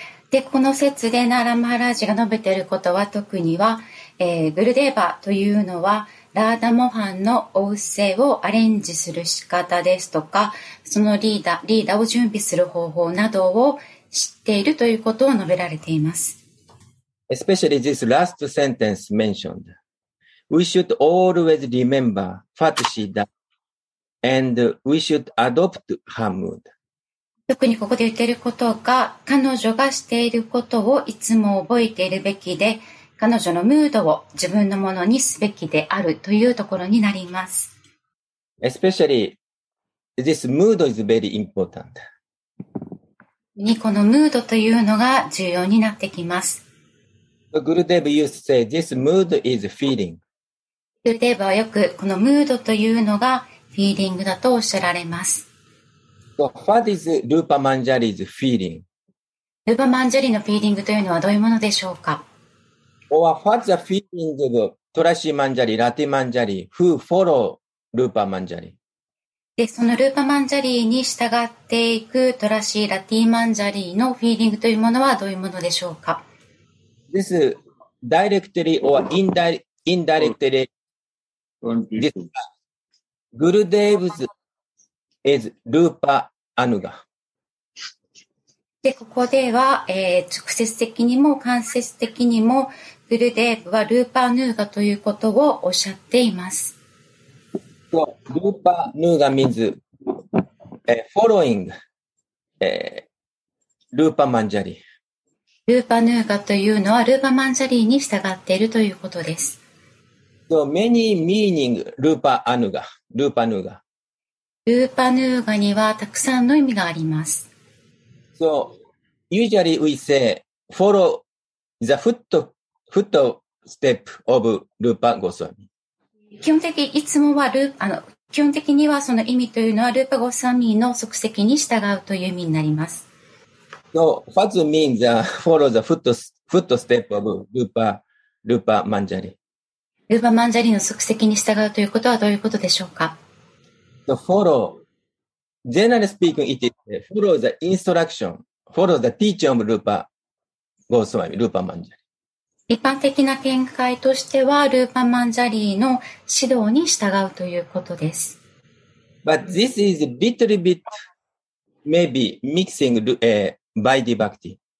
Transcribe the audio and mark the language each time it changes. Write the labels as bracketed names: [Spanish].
[Japanese] で、この説でナラン・マハラジが述べていることは特には、グルデーバというのはラーダモハンのお布施をアレンジする仕方ですとか、そのリーダーを準備する方法などを知っているということを述べられています。 [English] Especially this last sentence mentioned. We should always remember what she does, and we should adopt her mood. [Japanese] 特にここで言っていることが、彼女がしていることをいつも覚えているべきで、彼女のムードを自分のものにすべきであるというところになります。 [English] Especially, this mood is very important. [Japanese] このムードというのが重要になってきます。 [English] Gurudev used to say, this mood is feeling. [Japanese] Gurudev はよくこのムードというのがフィーリングだとおっしゃられます。 [English] So, what is Rupa Manjari's feeling? [Japanese] Rupa Manjari のフィーリングというのはどういうものでしょうか？ [English] Or what's the feeling of Trashy Manjari, Lati Manjari, who follow Rupa Manjari? [Japanese] で、そのルーパマンジャリーに従っていくトラシー・ラティマンジャリーのフィーリングというものはどういうものでしょうか？ [English] This is directly or indirectly Gurudev is Rupa Anuga. [Japanese] で、ここでは、直接的にも間接的にもグルデーブはルーパーヌーガということをおっしゃっています。 [English] So, ルーパーヌーガ means following ルーパーマンジャリー。 [Japanese] ルーパーヌーガというのはルーパーマンジャリーに従っているということです。 [English] So, many meaning ルーパーアヌーガ、ルーパーヌーガ、 [Japanese] ルーパーヌーガにはたくさんの意味があります。 [English] So, usually we say, follow the footstep of Rupa Goswami. [Japanese] 基本的にいつもは、基本的にはその意味というのは、Rupa Goswami の足跡に従うという意味になります。 [English] So, what means follow the footstep of Rupa Manjari? [Japanese] Rupa Manjari の足跡に従うということはどういうことでしょうか？ [English] So, follow. Generally speaking, it is follow the instruction, follow the teaching of Rupa Goswami, Rupa Manjari. [Japanese] 一般的な見解としては、ルーパマンジャリーの指導に従うということです。 [English] But this is a little bit, maybe mixing Vaidhi Bhakti.